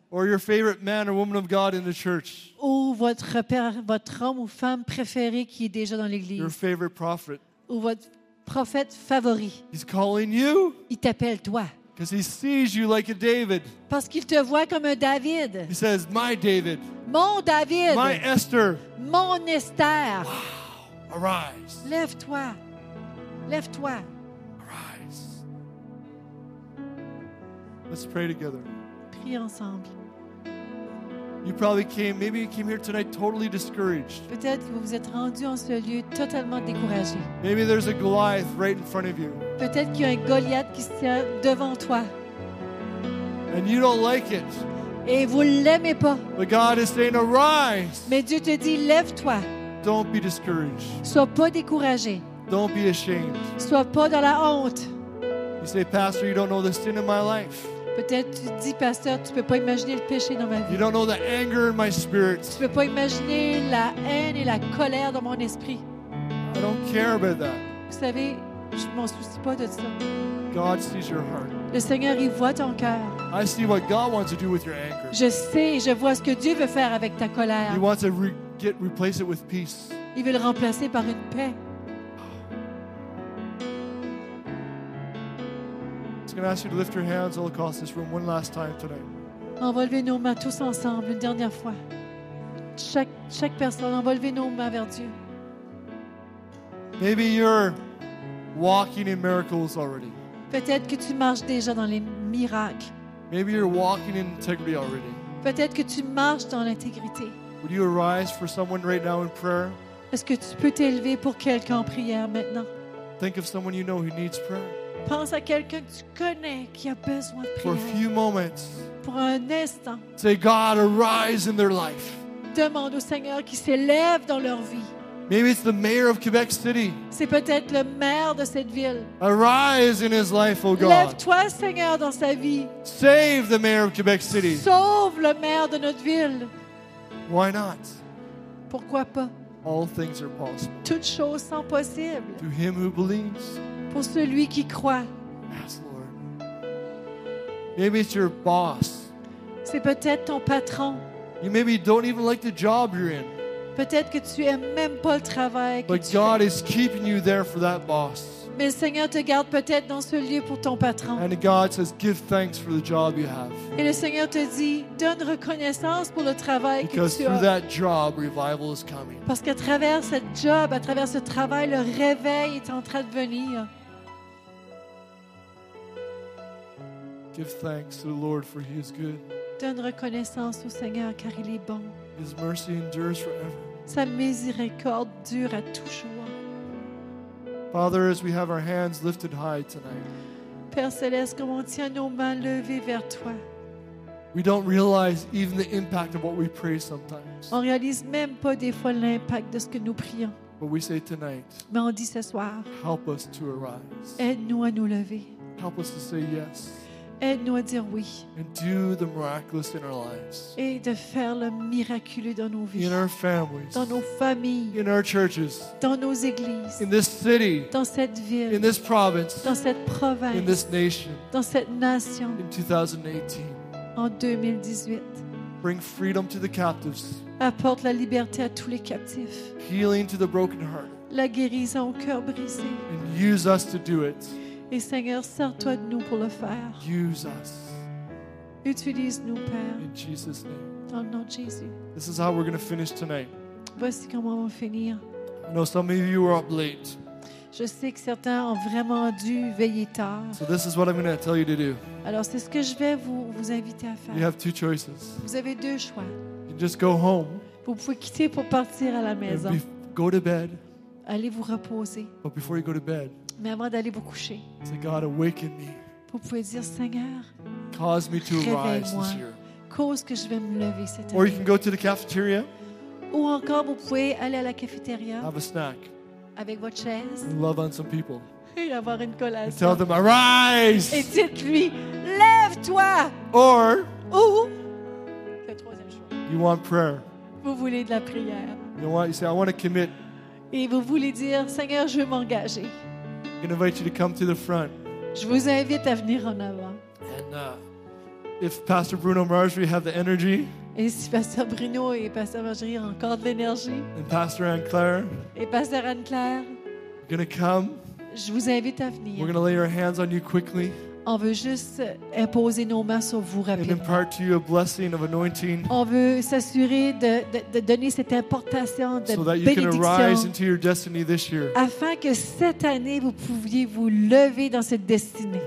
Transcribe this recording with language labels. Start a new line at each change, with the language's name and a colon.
English: Or your favorite man or woman of God in the church.
French: Ou votre père, votre homme ou femme préféré qui est déjà dans l'église.
English: Your favorite prophet.
French: Ou votre prophète favori.
English: He's calling you.
French: Il t'appelle toi.
English: Because he sees you like a David.
French: Parce qu'il te voit comme un David.
English: He says, "My David."
French: Mon David.
English: My Esther.
French: Mon Esther.
English: Wow. Arise.
French: Lève-toi. Lève-toi.
English: Arise. Let's pray together.
French: Prie ensemble.
English: You probably came, maybe you came here tonight totally discouraged.
French: Peut-être que vous êtes rendu en ce lieu totalement découragé.
English: Maybe there's a Goliath right in front of you.
French: Peut-être qu'il y a un Goliath qui se tient devant toi.
English: And you don't like it.
French: Et vous l'aimez pas.
English: But God is saying, arise.
French: Mais Dieu te dit, lève-toi.
English: Don't be discouraged.
French: Sois pas découragé.
English: Don't be ashamed.
French: Sois pas dans la honte.
English: You say, Pastor, you don't know the sin in my life.
French: Peut-être tu te dis, pasteur, tu ne peux pas imaginer le péché dans ma vie.
English: You don't know the anger in my spirit.
French: Tu ne peux pas imaginer la haine et la colère dans mon esprit.
English: I don't care about that.
French: Vous savez, je ne m'en soucie pas de ça.
English: God sees your heart.
French: Le Seigneur, il voit ton cœur.
English: I see what God wants to do with your anger.
French: Je sais et je vois ce que Dieu veut faire avec ta colère.
English: He wants to replace it with peace.
French: Il veut le remplacer par une paix.
English: I'm going to ask you to lift your hands all across this room one last time tonight.
French: On va lever nos mains tous ensemble une dernière fois. Chaque personne, on va lever nos mains vers Dieu.
English: Maybe you're walking in miracles already.
French: Peut-être que tu marches déjà dans les miracles.
English: Maybe you're walking in integrity already.
French: Peut-être que tu marches dans l'intégrité.
English: Would you arise for someone right now in prayer?
French: Est-ce que tu peux t'élever pour quelqu'un en prière maintenant?
English: Think of someone you know who needs prayer.
French: Pense à quelqu'un que tu connais qui a besoin de prière.
English: For a few moments,
French: pour un instant.
English: Say, God, arise in their life.
French: demande au Seigneur qui s'élève dans leur vie.
English: Maybe it's the mayor of Quebec City.
French: C'est peut-être le maire de cette ville.
English: Arise in his life, O God.
French: Lève-toi, Seigneur, dans sa vie.
English: Save the mayor of Quebec City.
French: Sauve le maire de notre ville.
English: Why not?
French: Pourquoi pas?
English: All things are possible.
French: Toutes choses sont possibles.
English: To him who believes.
French: Pour celui qui croit.
English: Yes, Lord. Maybe it's your boss.
French: C'est peut-être ton patron.
English: You maybe don't even like the job you're in.
French: Peut-être que tu aimes même pas le travail que
English: But
French: tu
English: God
French: fais.
English: Is keeping you there for that boss.
French: Mais le Seigneur te garde peut-être dans ce lieu pour ton patron.
English: And God says, give thanks for the job you have.
French: Et le Seigneur te dit, donne reconnaissance pour le travail
English: Because
French: que tu as.
English: Because through that job, revival is coming.
French: Parce qu'à travers cette job, à travers ce travail, le réveil est en train de venir.
English: Give thanks to the Lord for he is good.
French: Donne reconnaissance au Seigneur car il est bon.
English: His mercy endures forever.
French: Sa miséricorde dure à toujours.
English: Father, as we have our hands lifted high tonight,
French: Père Céleste, comme on tient nos mains levées vers toi,
English: we don't realize even the impact of what we pray sometimes.
French: On réalise même pas des fois l'impact de ce que nous prions.
English: But we say tonight,
French: mais on dit ce soir,
English: help us to arise.
French: Aide-nous à nous lever.
English: Help us to say yes.
French: Aide-nous à dire oui.
English: And do the miraculous in our lives.
French: Et de faire le miraculeux dans nos vies.
English: In our families.
French: Dans nos familles.
English: In our churches.
French: Dans nos églises.
English: In this city.
French: Dans cette ville.
English: In this province.
French: Dans cette province.
English: In this nation.
French: Dans cette nation.
English: In 2018.
French: En 2018.
English: Bring freedom to the captives.
French: Apporte la liberté à tous les captifs.
English: Healing to the broken heart.
French: La guérison au cœur brisé.
English: And use us to do it.
French: Et Seigneur, sers-toi de nous pour le faire.
English: Use us.
French: Utilise-nous, Père.
English: In Jesus' name.
French: Dans le nom de Jésus.
English: This is how we're going to finish tonight.
French: Voici comment on va finir.
English: I know some of you are up late.
French: Je sais que certains ont vraiment dû veiller tard.
English: So this is what I'm going to tell you to do.
French: Alors c'est ce que je vais vous inviter à faire.
English: You have two choices.
French: Vous avez deux choix.
English: You can just go home.
French: Vous pouvez quitter pour partir à la maison.
English: And go to bed.
French: Allez vous reposer.
English: But before you go to bed.
French: Mais avant d'aller vous coucher,
English: say, God, awaken me.
French: Vous pouvez dire, Seigneur,
English: cause me to arise this year.
French: Cause que je vais me lever cette année.
English: Or you can go to the cafeteria.
French: Ou encore, vous pouvez aller à la cafétéria.
English: Have a snack.
French: Avec votre chaise.
English: And love on some people.
French: Et avoir une collation.
English: And tell them, arise.
French: Et dites-lui, lève-toi.
English: Or.
French: Ou. Le troisième choix.
English: You want prayer.
French: Vous voulez de la prière.
English: You want. You say, I want to commit.
French: Et vous voulez dire, Seigneur, je veux m'engager.
English: Invite you to come to the front.
French: Je vous invite à venir en avant.
English: And if Pastor Bruno Marjorie have the energy,
French: et si Pasteur Bruno et Pasteur Marjorie ont encore de l'énergie,
English: and Pastor Anne Claire,
French: et Pasteur Anne Claire,
English: we're gonna come.
French: Je vous invite à venir.
English: We're gonna lay our hands on you quickly.
French: On veut juste imposer nos mains sur vous rapidement.
English: And impart to you a blessing of anointing.
French: On veut s'assurer de donner cette importation de bénédiction.
English: So that you can arise into your destiny this year.
French: Afin que cette année vous pouviez vous lever dans cette destinée.